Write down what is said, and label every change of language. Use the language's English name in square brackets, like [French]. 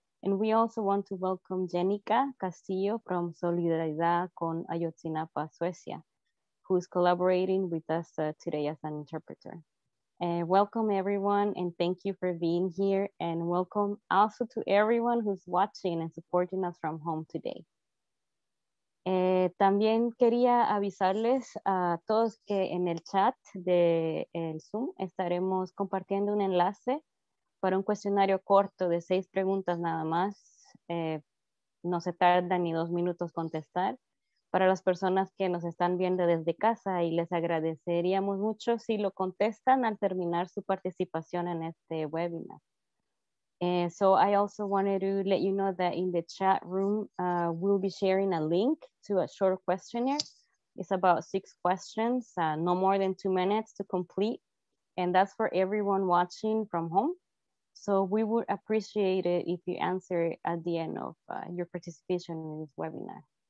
[English] And we also want to welcome Yénica Castillo from Solidaridad con Ayotzinapa, Suecia, who is collaborating with us today as an interpreter. Welcome everyone, and thank you for being here. And welcome also to everyone who's watching and supporting us from home today. [Spanish] También quería avisarles a todos que en el chat del Zoom estaremos compartiendo un enlace para un cuestionario corto de 6 preguntas nada más. No se tarda ni 2 minutos contestar. Para las personas que nos están viendo desde casa, y les agradeceríamos mucho si lo contestan al terminar su participación en este webinar. [English] So I also wanted to let you know that in the chat room, we'll be sharing a link to a short questionnaire. It's about 6 questions, no more than 2 minutes to complete. And that's for everyone watching from home. So we would appreciate it if you answer it at the end of your participation in this webinar.